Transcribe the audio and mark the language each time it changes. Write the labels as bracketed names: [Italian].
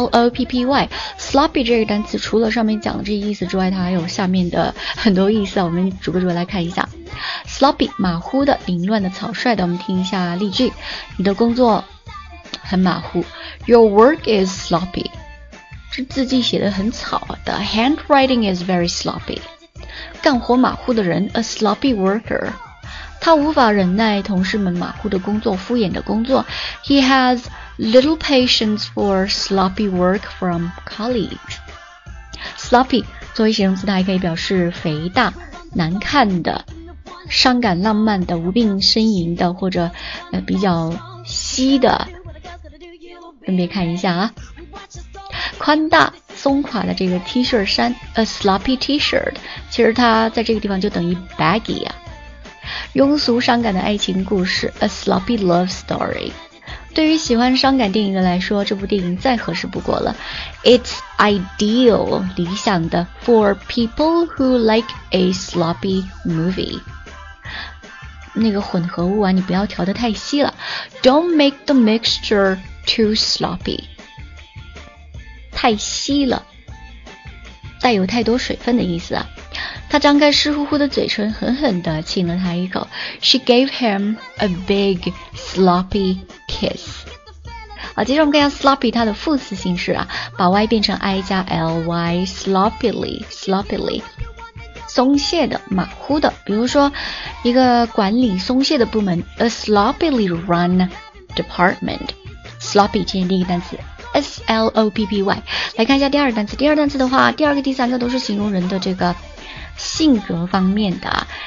[Chinese] sloppy，sloppy，s-l-o-p-p-y，sloppy 这个单词除了上面讲的这意思之外，它还有下面的很多意思啊。我们逐个逐个来看一下 ，sloppy 马虎的、凌乱的、草率的。我们听一下例句：你的工作很马虎 ， [English] Your work is sloppy。 [Chinese] 这字迹写得很草 , [English] the handwriting is very sloppy. [Chinese] 干活马虎的人 , [English] a sloppy worker. [Chinese] 他无法忍耐同事们马虎的工作，敷衍的工作。 [English] He has little patience for sloppy work from colleagues. [Chinese] Sloppy, 作为形容词它还可以表示肥大、难看的、伤感浪漫的、无病呻吟的，或者比较稀的。分别看一下啊。宽大松垮的这个 T 恤衫 , [English] a sloppy T-shirt, [Chinese] 其实它在这个地方就等于 baggy 啊。庸俗伤感的爱情故事 , [English] a sloppy love story。 [Chinese] 对于喜欢伤感电影的来说，这部电影再合适不过了。 [English] It's ideal, [Chinese] 理想的 [English] ,for people who like a sloppy movie。 [Chinese] 那个混合物啊，你不要调得太稀了。 [English] Don't make the mixture too sloppy， [Chinese] 太稀了，带有太多水分的意思啊。他张开湿乎乎的嘴唇，狠狠地亲了他一口。 [English] She gave him a big sloppy kiss。 [Chinese] 好，接着我们看一下 sloppy 它的副词形式啊，把 y 变成 i 加 ly， sloppily， sloppily， 松懈的，马虎的。比如说一个管理松懈的部门， [English] a sloppily run department。 [Chinese] sloppy 今天第一个单词， sloppy。来看一下第二个单词，第二个单词的话，第二个第三个都是形容人的这个性格方面的啊。